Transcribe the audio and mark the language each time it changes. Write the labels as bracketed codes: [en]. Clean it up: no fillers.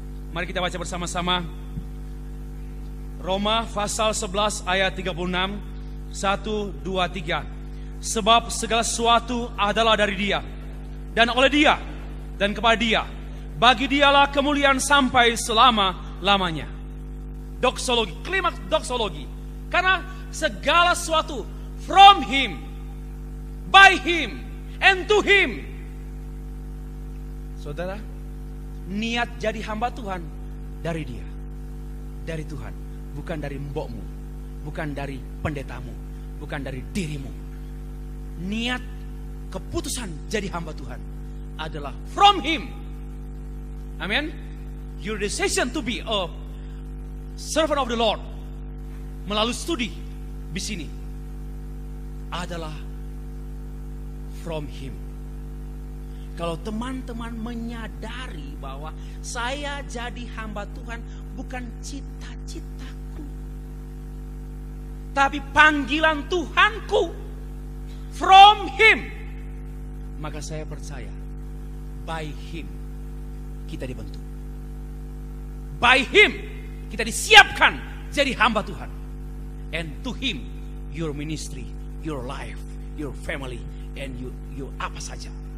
[id] Mari kita baca bersama-sama Roma pasal 11 ayat 36, 1, 2, 3. Sebab segala sesuatu adalah dari Dia, dan oleh Dia, dan kepada Dia, bagi Dialah kemuliaan sampai selama-lamanya. Doksologi, klimaks doksologi. Karena segala sesuatu [en] from Him, by Him, and to Him. [id] Saudara, niat jadi hamba Tuhan dari Dia, dari Tuhan, bukan dari mbokmu, bukan dari pendetamu, bukan dari dirimu. Niat keputusan jadi hamba Tuhan adalah [en] from Him. [id] Amen. [en] Your decision to be a servant of the Lord [id] melalui studi di sini adalah [en] from Him. [id] Kalau teman-teman menyadari bahwa saya jadi hamba Tuhan bukan cita-citaku, tapi panggilan Tuhanku [en] from Him, [id] maka saya percaya [en] by Him [id] kita dibentuk. [en] By Him [id] kita disiapkan jadi hamba Tuhan. [en] And to Him, your ministry, your life, your family, and you [id] apa saja.